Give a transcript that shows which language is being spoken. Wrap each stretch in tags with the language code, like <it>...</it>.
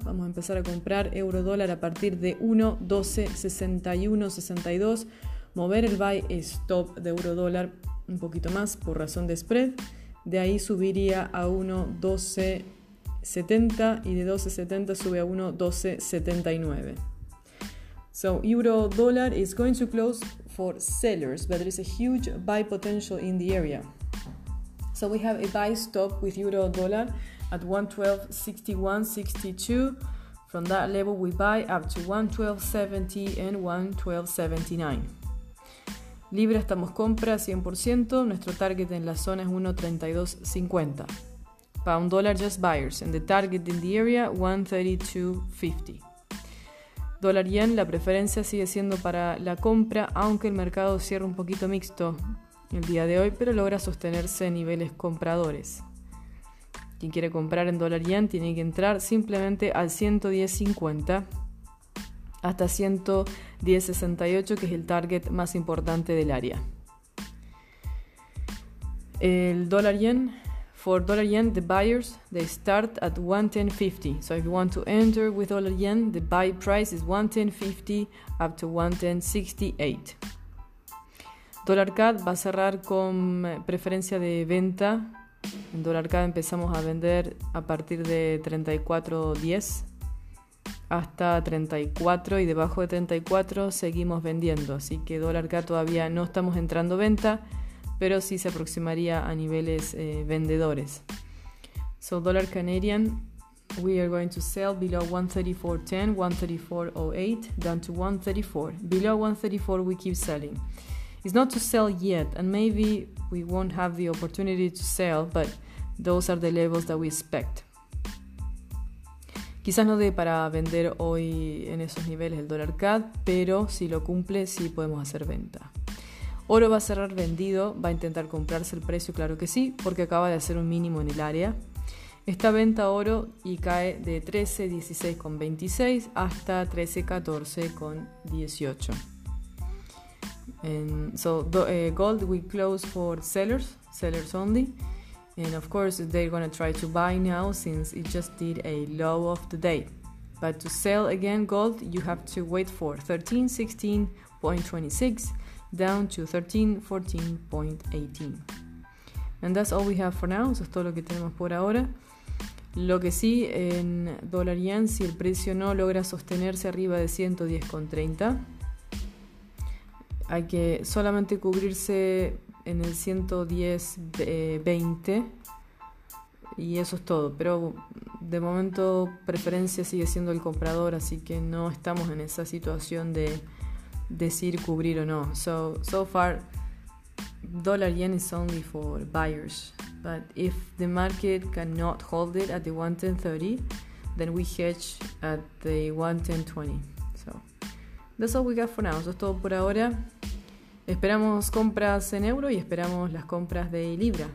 <es>Vamos a empezar a comprar eurodólar a partir de 1.12.61.62. Mover el buy stop de eurodólar un poquito más por razón de spread. De ahí subiría a 1.12.70 y de 12.70 sube a 1.12.79.</es> <en>So, euro dólar is going to close for sellers, but there is a huge buy potential in the area. So we have a buy stop with euro dollar at 1.12.61.62. From that level, we buy up to 1.12.70 and 1.12.79.</en> <es>Libra estamos compra 100%. Nuestro target en la zona es 1.32.50.</es> <en>Pound dollar just buyers, and the target in the area 1.32.50.</en> <es>Dólar yen, la preferencia sigue siendo para la compra, aunque el mercado cierra un poquito mixto el día de hoy, pero logra sostenerse en niveles compradores. Quien quiere comprar en dólar yen tiene que entrar simplemente al 110.50 hasta 110.68, que es el target más importante del área. El dólar yen,</es> <en>for dollar yen, the buyers, they start at 1.10.50. So if you want to enter with dollar yen, the buy price is 1.10.50 up to 1.10.68.</en> <es>Dollar CAD va a cerrar con preferencia de venta. En dollar CAD empezamos a vender a partir de 34.10 hasta 34, y debajo de 34 seguimos vendiendo. Así que dollar CAD todavía no estamos entrando venta, pero sí se aproximaría a niveles vendedores.</es> <en>So dollar Canadian, we are going to sell below 134.10, 134.08, down to 134. Below 134 we keep selling. It's not to sell yet, and maybe we won't have the opportunity to sell, but those are the levels that we expect.</en> <es>Quizás no dé para vender hoy en esos niveles el dólar CAD, pero si lo cumple, sí podemos hacer venta. Oro va a cerrar vendido, va a intentar comprarse el precio, claro que sí, porque acaba de hacer un mínimo en el área. Está venta oro y cae de 13.16.26 hasta 13.14.18.</es> <en>Gold we close for sellers only. And of course they're going to try to buy now since it just did a low of the day. But to sell again gold, you have to wait for 13.16.26. down to 13.14.18. And that's all we have for now.</en> <es>Eso es todo lo que tenemos por ahora. Lo que sí, en dólar yen, si el precio no logra sostenerse arriba de 110.30, hay que solamente cubrirse en el 110.20, y eso es todo. Pero de momento preferencia sigue siendo el comprador, así que no estamos en esa situación de decir cubrir o no.</es> <en>So far dollar yen is only for buyers, but if the market cannot hold it at the 1.10.30, then we hedge at the 1.10.20. So that's all we got for now.</en> <es>Eso es todo por ahora. Esperamos compras en euro y esperamos las compras de libra.</es>